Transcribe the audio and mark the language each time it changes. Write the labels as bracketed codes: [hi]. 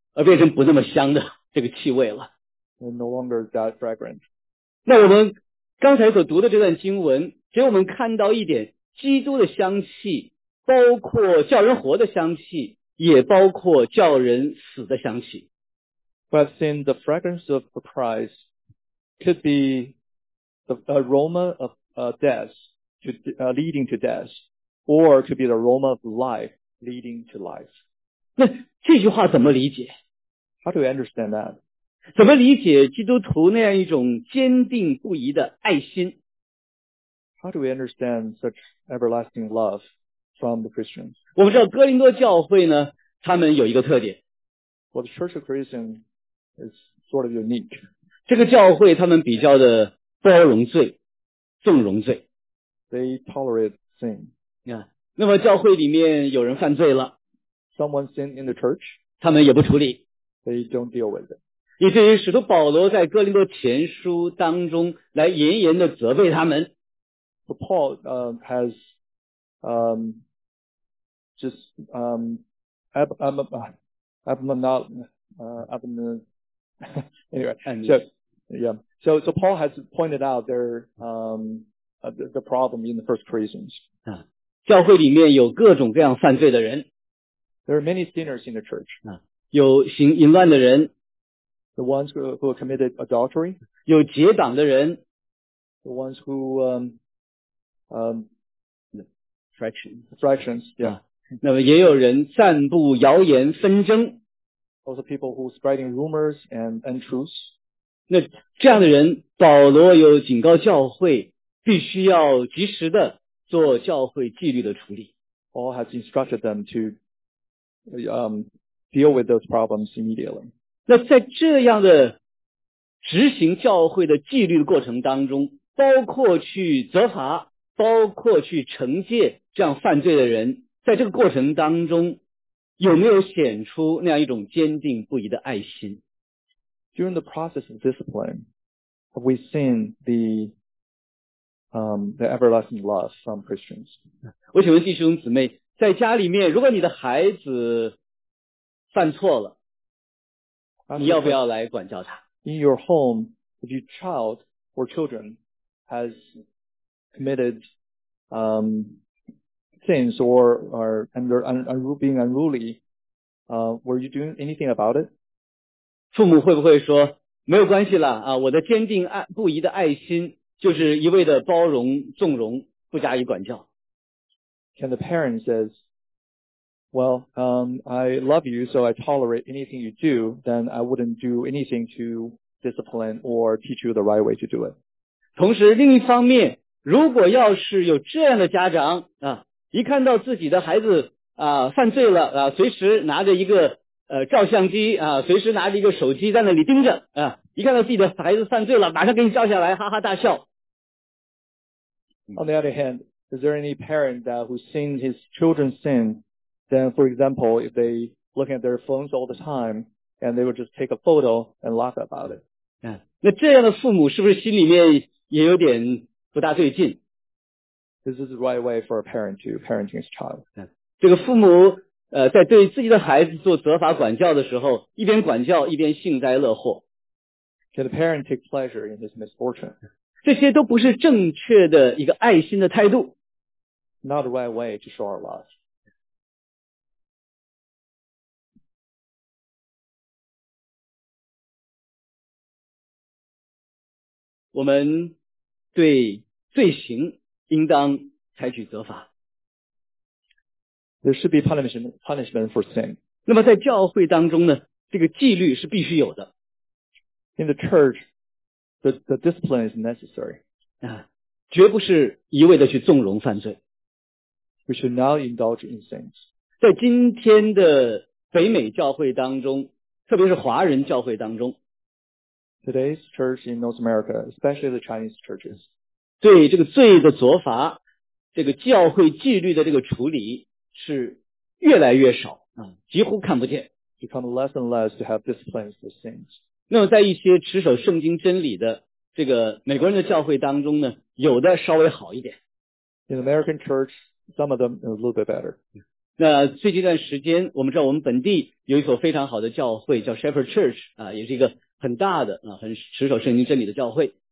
[zh] 而变成不那么香的这个气味了。 [en] And no longer that fragrant. [zh] 那我们刚才所读的这段经文给我们看到一点，基督的香气包括叫人活的香气，也包括叫人死的香气。 [en] But since the fragrance of Christ could be the aroma of death to, leading to death, or could be the aroma of life leading to life. [zh] 那这句话怎么理解？ [en] How do you understand that? [zh] 怎么理解基督徒那样一种坚定不移的爱心？ [en] How do we understand such everlasting love from the Christians? [zh] 我们知道哥林多教会呢，他们有一个特点。 [en] Well, the Church of Christians is sort of unique. [zh] 这个教会他们比较的包容罪，纵容罪。 [en] They tolerate sin. Yeah. [zh] 那么教会里面有人犯罪了。 [en] Someone sinned in the church. [zh] 他们也不处理。 [en] They don't deal with it. [zh] 以至于使徒保罗在哥林多前书当中来严严的责备他们。 [en] So Paul So Paul has pointed out their the problem in the first Corinthians. [zh] 教会里面有各种各样犯罪的人。 [en] There are many sinners in the church. [zh] 有行淫乱的人。 [en] The ones who committed adultery. [zh] 有结党的人。 [en] The ones who, fractions, yeah. [zh] 那么也有人散布谣言纷争。 [en] Also people who spreading rumors and untruths. [zh] 那这样的人，保罗有警告教会，必须要及时的做教会纪律的处理。 [en] Paul has instructed them to, deal with those problems immediately. [zh] 那在这样的执行教会的纪律的过程当中，包括去责罚，包括去惩戒这样犯罪的人，在这个过程当中，有没有显出那样一种坚定不移的爱心？ [en] During the process of discipline, have we seen the everlasting love from Christians? [zh] 我请问弟兄姊妹，在家里面，如果你的孩子犯错了，你要不要来管教他？ [en] In your home, if your child or children has committed sins or are under being unruly, were you doing anything about it? [zh] 父母会不会说没有关系了啊？我的坚定不移的爱心就是一味的包容纵容，不加以管教。 [en] Can the parent says,Well, I love you, so I tolerate anything you do, then I wouldn't do anything to discipline or teach you the right way to do it. [zh] 同时另一方面，如果要是有这样的家长啊，一看到自己的孩子啊犯罪了啊，随时拿着一个照相机啊，随时拿着一个手机在那里盯着啊，一看到自己的孩子犯罪了，马上给你照下来，哈哈大笑。 [en] On the other hand, is there any parent that who's seen his children's sin? Then, for example, if they look at their phones all the time, and they would just take a photo and laugh about it. [zh] 那这样的父母是不是心里面也有点不大对劲？ [en] This is the right way for a parent to parenting his child. [zh] 这个父母在对自己的孩子做责罚管教的时候，一边管教一边幸灾乐祸。 [en] Can the parent take pleasure in his misfortune? [zh] 这些都不是正确的一个爱心的态度。 [en] Not the right way to show our love. [zh] 我们对罪行应当采取责罚。 [en] There should be punishment for sin. [zh] 那么在教会当中呢，这个纪律是必须有的。 [en] In the church, the discipline is necessary. [zh] 绝不是一味的去纵容犯罪。 [en] We should not indulge in sins. [zh] 在今天的北美教会当中，特别是华人教会当中。 [en] today's church in North America, especially the Chinese churches. [zh] 对这个罪的责罚，这个教会纪律的这个处理是越来越少，几乎看不见。 [en] Become less and less to have disciplines for sins. [zh] 那么在一些持守圣经真理的这个美国人的教会当中呢，有的稍微好一点。 [en] In American church, some of them a little bit better. [zh] 那最近一段时间，我们知道我们本地有一所非常好的教会叫 Shepherd Church, 也是一个很大的很持守圣经真理的教会。